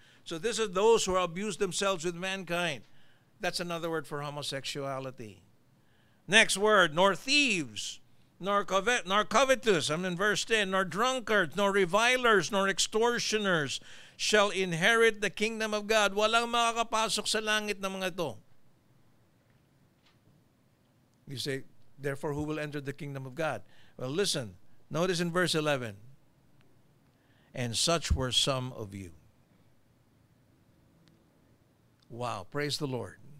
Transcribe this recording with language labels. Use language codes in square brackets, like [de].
[en] So this is those who abuse themselves with mankind. That's another word for homosexuality. Next word, nor thieves, nor covetous, I'm in verse 10, nor drunkards, nor revilers, nor extortioners shall inherit the kingdom of God. [tl] Walang makakapasok sa langit na mga ito. [en] You say, therefore, who will enter the kingdom of God? Well, listen, notice in verse 11, and such were some of you. Wow, praise the Lord.